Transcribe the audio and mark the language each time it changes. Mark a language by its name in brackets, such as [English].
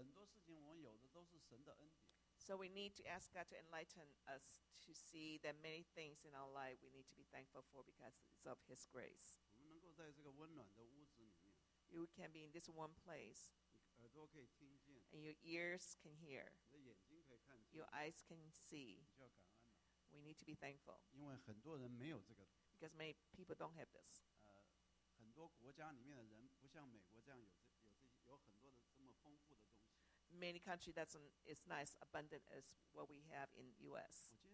[Chinese] 所以我想今天我们很需要求神的灵来光照我们,让我们看到我们今天有很多事情我们有的都是神的恩典。 [English] So we need to ask God to enlighten us to see that many things in our life we need to be thankful for because it's of His grace. [Chinese] 我们能够在这个温暖的屋子里面。 [English] You can be in this one place. [Chinese] 耳朵可以听见, [English] and your ears can hear. [Chinese] 你的眼睛可以看见, [English] your eyes can see. [Chinese] 你就要感恩了, [English] we need to be thankful. [Chinese] 因为很多人没有这个, [English] because many people don't have this. [Chinese] 很多国家里面的人不像美国这样有很多的这么丰富的东西。 [English] Many countries that's it's not as abundant as what we have in US.